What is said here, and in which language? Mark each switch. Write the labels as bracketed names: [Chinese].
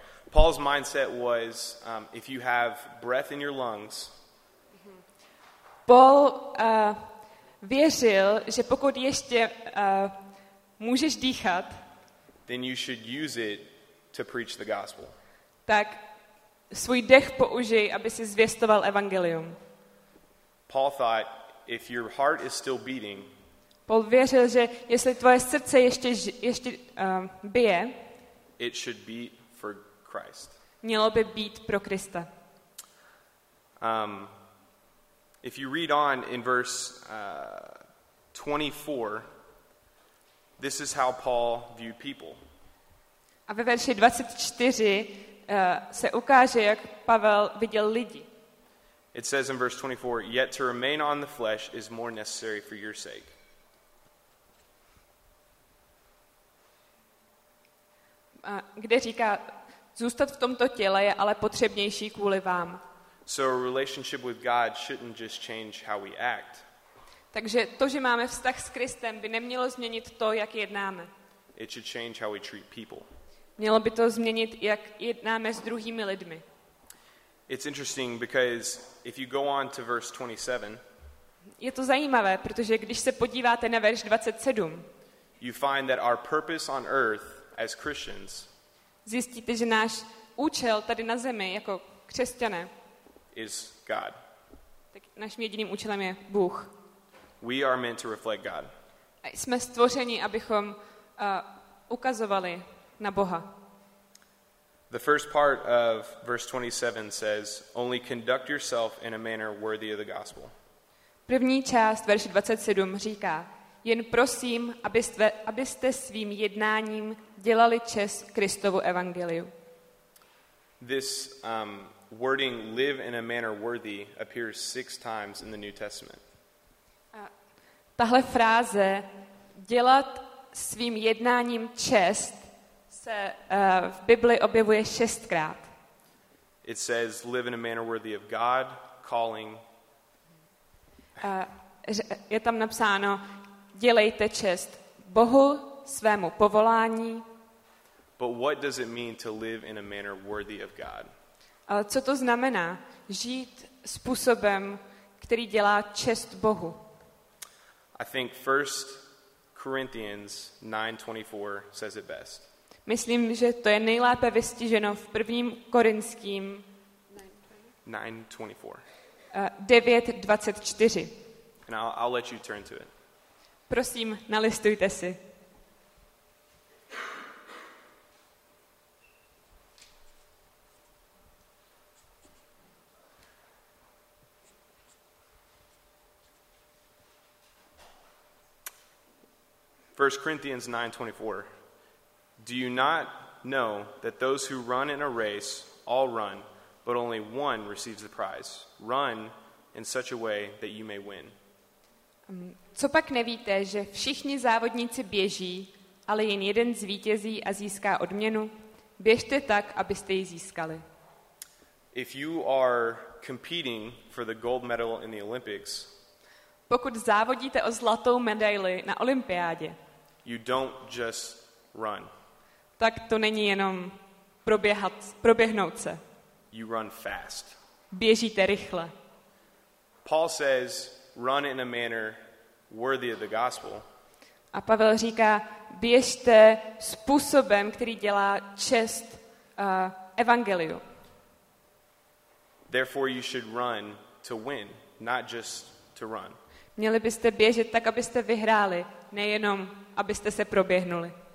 [English] Paul's mindset was if you have breath in your lungs. [Czech] Paul věřil, že pokud ještě můžeš dýchat, [English] then you should use it to preach the gospel. [Czech] Tak svůj dech použij, aby si zvěstoval evangelium. [English] Paul thought, if your heart is still beating, [Czech] Paul věřil, že jestli tvoje srdce ještě bije, [English] it should beat for Christ. [Czech] Mělo by být pro Krista. [English] If you read on in verse 24, this is how Paul viewed people. [Czech] A ve verši 24 se ukáže, jak Pavel viděl lidi. [English] It says in verse 24, yet to remain on the flesh is more necessary for your sake. [Czech] Kde říká, zůstat v tomto těle je ale potřebnější kvůli vám. [English] So a relationship with God shouldn't just change how we act. [Czech] Takže to, že máme vztah s Kristem, by nemělo změnit to, jak jednáme. [English] It should change how we treat people. [Czech] Mělo by to změnit, jak jednáme s druhými lidmi. [English] It's interesting because if you go on to verse 27. [Czech] Je to zajímavé, protože když se podíváte na verš 27. [English] You find that our purpose on earth as Christians. [Czech] Zjistíte, že náš účel tady na zemi jako křesťané. [English] Is God. [Czech] Tak naším jediným účelem je Bůh. [English] We are meant to reflect God. [Czech] Jsme stvořeni, abychom ukazovali na Boha. [English] The first part of verse 27 says, only conduct yourself in a manner worthy of the gospel. [Czech] První část verše 27 říká, jen prosím, abyste svým jednáním dělali čest Kristovu evangeliu. [English] This wording live in a manner worthy appears 6 times in the New Testament. [Czech] Tahle fráze dělat svým jednáním čest se v Bibli objevuje 6krát. [English] It says live in a manner worthy of God calling. [Czech] Je tam napsáno dělejte čest Bohu svému povolání. [English] But what does it mean to live in a manner worthy of God? [Czech] Ale co to znamená žít způsobem, který dělá čest Bohu? [English] I think 1 Corinthians 9:24 says it best. [Czech] Myslím, že to je nejlépe vystiženo v 1. Korinským 9:24. [English] And I'll let you turn to it. [Czech] Prosím, nalistujte si. [English] First Corinthians 9:24. Do you not know that those who run in a race all run, but only one receives the prize? Run in such a way that you may win. [Czech] Copak nevíte, že všichni závodníci běží, ale jen jeden zvítězí a získá odměnu? Běžte tak, abyste ji získali. [English] If you are competing for the gold medal in the Olympics, [Czech] pokud závodíte o zlatou medaili na olympiádě, [English] you don't just run. [Czech] Tak to není jenom proběhnout se. [English] You run fast. [Czech] Běžíte rychle. [English] Paul says, run in a manner worthy of the gospel. [Czech] A Pavel říká, běžte způsobem, který dělá čest evangeliu. [English] Therefore you should run to win, not just to run. [Czech] Měli byste běžet tak, abyste vyhráli, nejenom abyste se proběhli.